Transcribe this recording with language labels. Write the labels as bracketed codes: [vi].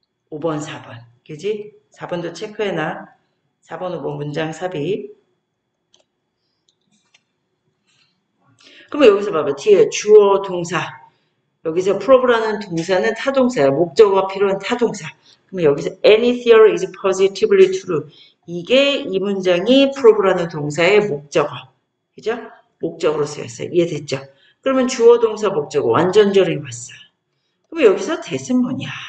[ko] 5번, 4번. 그지? 4번도 체크해놔. 4번, 5번 문장 삽입. 그럼 여기서 봐봐. 뒤에 주어, 동사. 여기서 probe라는 동사는 타동사야. 목적어가 필요한 타동사. 그럼 여기서 [en] any theory is positively true. [ko] 이게 이 문장이 probe라는 동사의 목적어. 그죠? 목적으로 쓰였어요. 이해됐죠? 그러면 주어 동사 목적어 완전절이 왔어. 그럼 여기서 대세 뭐냐?